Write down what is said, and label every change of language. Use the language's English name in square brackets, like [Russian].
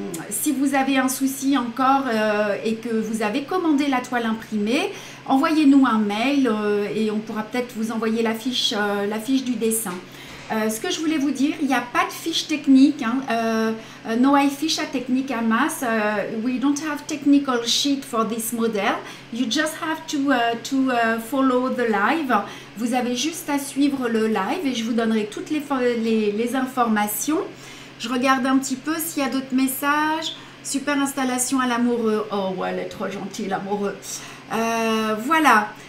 [French] Si vous avez un souci encore et que vous avez commandé la toile imprimée, envoyez-nous un mail et on pourra peut-être vous envoyer la fiche du dessin. Ce que je voulais vous dire, il n'y a pas de fiche technique. [Spanish] Hein, no hay ficha técnica más. [English] We don't have technical sheet for this model. You just have to follow the live. [French] Vous avez juste à suivre le live et je vous donnerai toutes les informations. Je regarde un petit peu s'il y a d'autres messages. Super installation à l'amoureux. Oh ouais, elle est trop gentille, l'amoureux. Voilà.